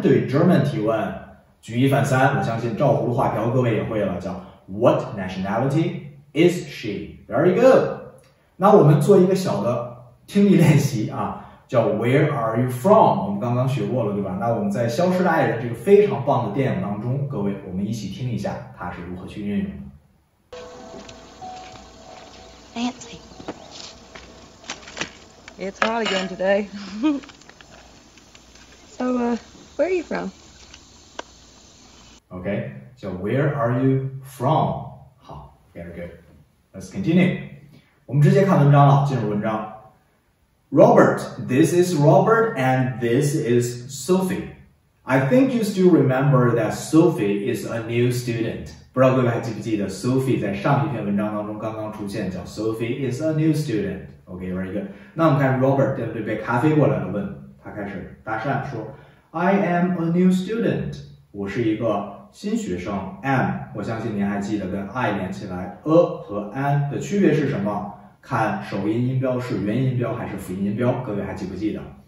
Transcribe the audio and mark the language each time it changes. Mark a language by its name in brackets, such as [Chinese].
[Chinese] 对 German 提问，举一反三，我相信照葫芦画瓢各位也会了，叫 [English] What nationalityIs she? Very good. [Chinese] 那我们做一个小的听力练习啊，叫 [English] Where are you from? [Chinese] 我们刚刚学过了，对吧？那我们在《消失的爱人》这个非常棒的电影当中，各位，我们一起听一下它是如何去运用的。 [English] Nancy, it's hot again today. where are you from? Okay, 叫 Where are you from? 好 ，very good. Let's continue. [Chinese] 我们直接看文章了，进入文章。 [English] Robert, this is Robert and this is Sophie. I think you still remember that Sophie is a new student. [Chinese] 不知道各位还记不记得 Sophie 在上一篇文章当中刚刚出现，叫 [English] Sophie is a new student. OK, very good. [Chinese] 那我们看 Robert 对不对，杯咖啡过来了，问他开始搭讪说 [English] I am a new student. [Chinese] 我是一个新学生。am 我相信您还记得跟 I 连起来 a 和 an 的区别是什么，看首音音标是元音标还是辅音音标，各位还记不记得。